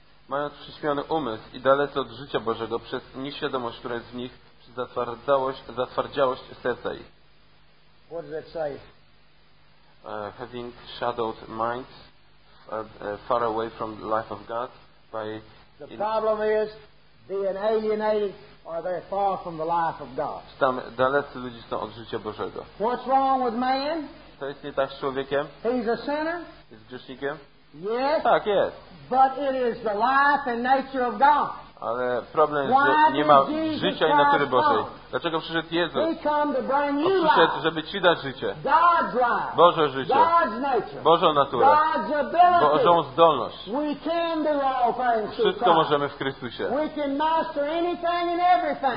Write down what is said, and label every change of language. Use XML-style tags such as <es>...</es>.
<pl>Mając przyśmiony umysł i dalece od życia Bożego przez nieświadomość, która jest w nich, przez zatwardziałość serca ich.</pl> <en>What does it say? Having shadowed minds far away from the life of God by the problem is being alienated. Are they far from the life of God?</en> <pl>Tam dalecy ludzie są od życia Bożego.</pl> <en>What's wrong with man?</en> <pl>To jest nie tak z człowiekiem.</pl> <en>He's a sinner.</en> <pl>Jest grzesznikiem.</pl> <en>Yes.</en> <pl>Tak jest.</pl> <en>But it is the life and nature of God.</en> <pl>Ale problem jest, że nie ma życia i natury Bożej. Dlaczego przyszedł Jezus? On przyszedł, żeby ci dać życie.</pl> <en>God's life.</en> <pl>Boże życie.</pl> <en>God's nature.</en> <pl>Bożą naturę.</pl> <en>God's ability.</en> <pl>Bożą zdolność.</pl> <en>We can do all things.</en> <pl>Wszystko możemy w Chrystusie.</pl> <en>We can master anything and everything.</en>